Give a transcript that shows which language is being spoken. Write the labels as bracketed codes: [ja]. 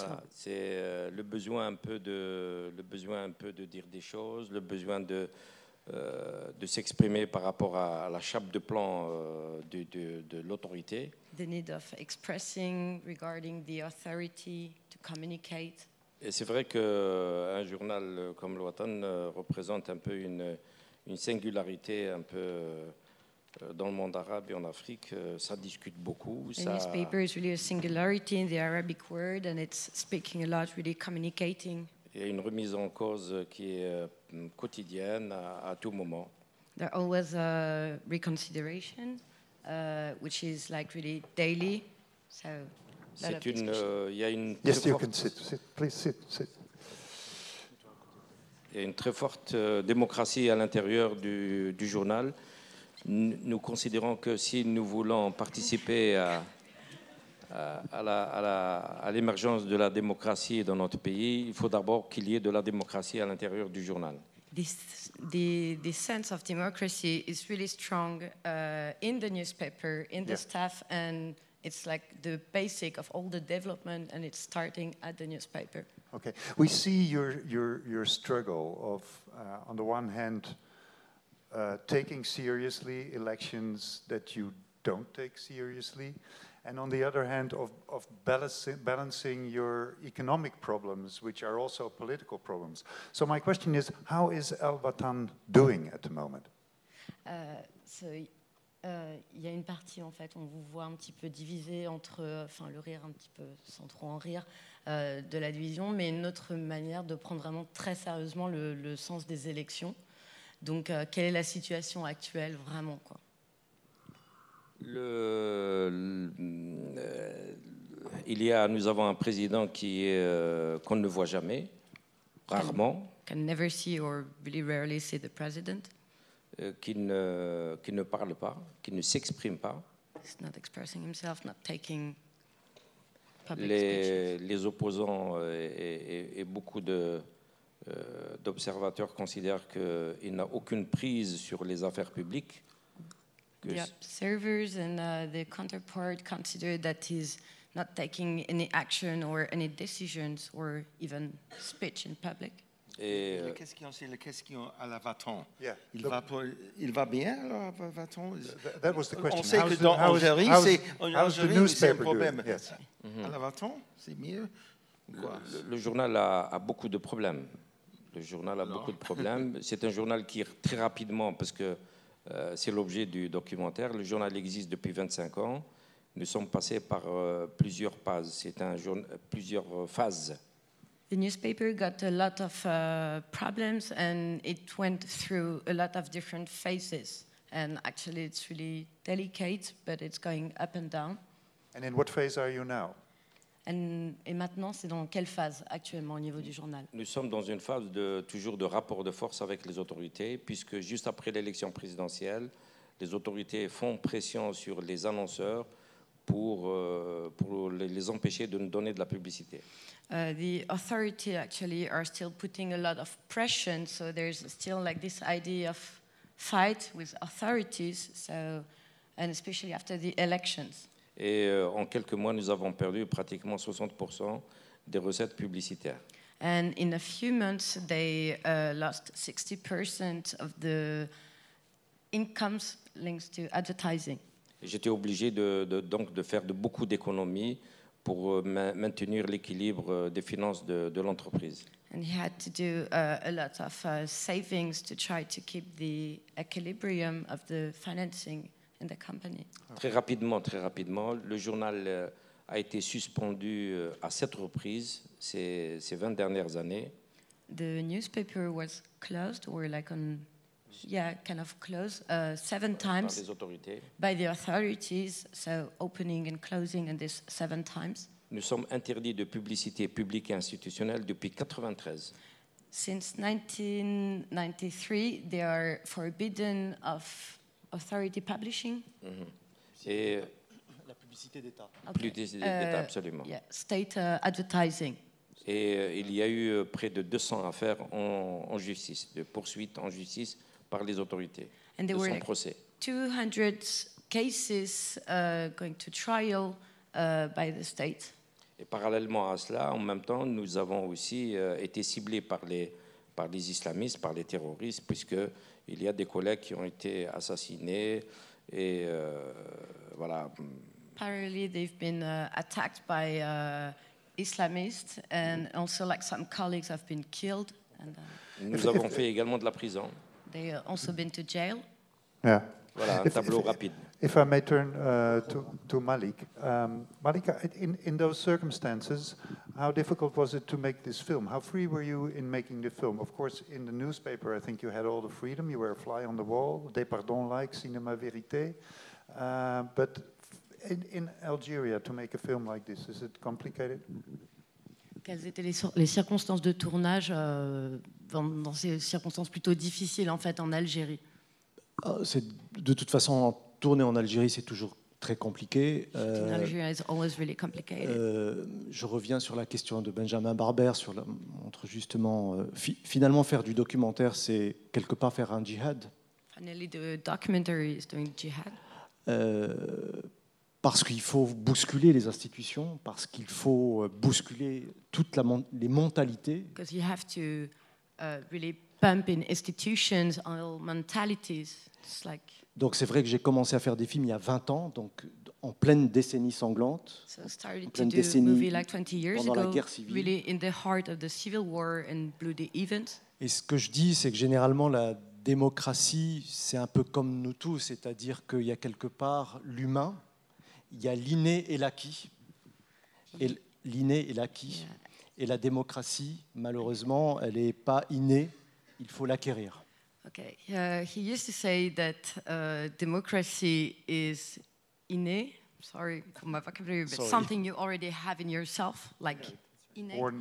[fr] C'est le besoin un peu de dire des choses, le besoin de s'exprimer par rapport à la chape de plomb de l'autorité. [en] The need of expressing regarding the authority to communicate. [fr] Et c'est vrai qu'un journal comme Luatan représente un peu une singularité un peu dans le monde arabe et en Afrique, ça discute beaucoup. [en] The newspaper is really a singularity in the Arabic world and it's speaking a lot, really communicating. [fr] Il y a une remise en cause qui est quotidienne à tout moment. [en] There's always a reconsideration, which is like really daily. So, [fr] c'est une, il y a une. [en] Yes, you can sit. Please sit. [fr] Il y a une très forte démocratie à l'intérieur du journal. Nous considérons que si nous voulons participer à l'émergence de la démocratie dans notre pays, il faut d'abord qu'il y ait de la démocratie à l'intérieur du journal. [en] The sense of democracy is really strong in the newspaper, in the staff, and it's like the basic of all the development, and it's starting at the newspaper. Okay, we see your struggle of on the one hand taking seriously elections that you don't take seriously, and on the other hand of balancing your economic problems, which are also political problems. So my question is, how is El Watan doing at the moment? [fr] Il y a une partie, en fait, on vous voit un petit peu divisé entre, enfin, le rire un petit peu, sans trop en rire, de la division, mais une autre manière de prendre vraiment très sérieusement le sens des élections. Donc, quelle est la situation actuelle, vraiment, quoi? Nous avons un président qu'on ne voit jamais, rarement. [en] Can never see or really rarely see the president. [fr] Qui ne parle pas, qui ne s'exprime pas. [en] He's not expressing himself, not taking public [fr] les opposants et beaucoup d'observateurs considèrent qu'il n'a aucune prise sur les affaires publiques. [en] The observers and the counterpart consider that he's not taking any action or any decisions or even speech in public. [fr] La question, c'est la question à la Watan. [en] Yeah. [fr] Il va bien, alors, à Watan? [en] That was the question. [fr] On sait que dans Algérie, c'est un problème. [en] Yes. [fr] Mm-hmm. À la Watan, c'est mieux? Le journal a beaucoup de problèmes. Le journal a beaucoup de problèmes. C'est un journal qui, très rapidement, parce que c'est l'objet du documentaire, le journal existe depuis 25 ans. Nous sommes passés par plusieurs phases. C'est un plusieurs phases. [en] The newspaper got a lot of problems and it went through a lot of different phases. And actually, it's really delicate, but it's going up and down. And in what phase are you now? [fr] Et maintenant, c'est dans quelle phase actuellement au niveau du journal? Nous sommes dans une phase de rapport de force avec les autorités, puisque juste après l'élection présidentielle, les autorités font pression sur les annonceurs pour les empêcher de nous donner de la publicité. [en] The authority actually are still putting a lot of pressure, so there's still like this idea of fight with authorities, so, and especially after the elections. [fr] Et en quelques mois, nous avons perdu pratiquement 60% des recettes publicitaires. [en] And in a few months, they lost 60% of the incomes linked to advertising. [fr] J'étais obligé de faire de beaucoup d'économies pour maintenir l'équilibre des finances de l'entreprise. [en] And he had to do a lot of savings to try to keep the equilibrium of the financing in the company. [fr] Très rapidement, le journal a été suspendu à 7 reprises ces 20 dernières années. [en] The newspaper was closed, or like on, yeah, kind of closed, 7 times by the authorities, so opening and closing in this 7 times. [fr] Nous sommes interdits de publicité publique et institutionnelle depuis 1993. [en] Since 1993, they are forbidden of authority publishing. Mm-hmm. [fr] Et la publicité d'État. Okay. Publicité d'État, absolument. [en] Yeah. State advertising. [fr] Et il y a eu près de 200 affaires en justice, de poursuites en justice par les autorités. [en] And there [fr] de [en] were [fr] son procès. [en] 200 cases going to trial. By the state. [fr] Et parallèlement à cela, en même temps, nous avons aussi été ciblés par les islamistes, par les terroristes, puisque il y a des collègues qui ont été assassinés et voilà. [en] Apparently, they've been attacked by Islamists, and also like some colleagues have been killed. And, [fr] nous avons fait également de la prison. [en] They also been to jail. Yeah. [fr] Voilà, un tableau rapide. [en] If I may turn to Malik. Malik, in those circumstances, how difficult was it to make this film? How free were you in making the film? Of course, in the newspaper, I think you had all the freedom. You were a fly on the wall, Depardon-like, Cinéma Vérité. But in Algeria, to make a film like this, is it complicated? [fr] Quelles étaient les circonstances de tournage dans ces circonstances plutôt difficiles, en fait, en Algérie? C'est de toute façon... Tourner en Algérie, c'est toujours très compliqué. Je reviens sur la question de Benjamin Barber, entre justement, finalement faire du documentaire, c'est quelque part faire un djihad. [en] Finally, the documentary is doing jihad. [fr] Parce qu'il faut bousculer les institutions, parce qu'il faut bousculer toutes les mentalités. [en] Because you have to really pump in institutions, all mentalities. It's like... [fr] Donc c'est vrai que j'ai commencé à faire des films il y a 20 ans, donc en pleine décennie sanglante, en pleine décennie pendant la guerre civile. [en] Really in the heart of the civil war and bloody events. [fr] Et ce que je dis, c'est que généralement la démocratie, c'est un peu comme nous tous, c'est-à-dire qu'il y a quelque part l'humain, il y a l'inné et l'acquis. Et la démocratie, malheureusement, elle n'est pas innée, il faut l'acquérir. [en] Okay. He used to say that democracy is inné. Sorry for my vocabulary, but something you already have in yourself, like inné.